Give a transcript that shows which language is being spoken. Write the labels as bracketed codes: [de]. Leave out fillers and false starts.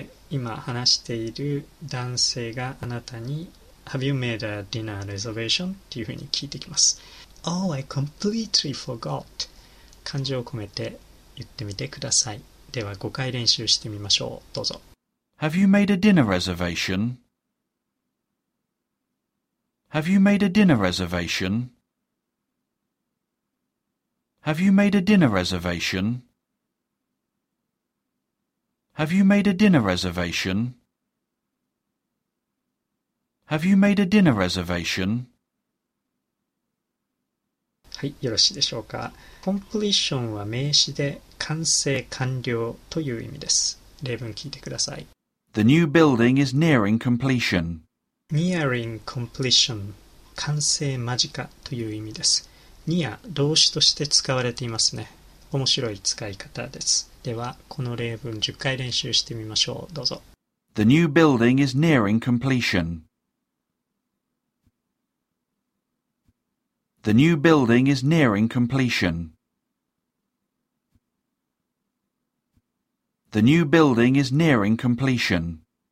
[ja] 今話している男性があなたに [en] Have you made a dinner reservation? [ja] っていうふうに聞いてきます。 [en] Oh, I completely forgot. [ja] 感情を込めて言ってみてください。では5回練習してみましょう。どうぞ。 [en] Have you made a dinner reservation? Have you made a dinner reservation? Have you made a dinner reservation? Have you made a dinner reservation? Have you made a dinner reservation? [ja] はい、よろしいでしょうか。Completion は名詞で完成完了という意味です。例文聞いてください。 [en] The new building is nearing completion. Nearing completion [ja] 完成間近という意味です。 near 動詞として使われていますね。面白い使い方です。では、この例文10回練習してみましょう。どうぞ。 [en] The new building is nearing completion. The new building is nearing completion. The new building is nearing completion.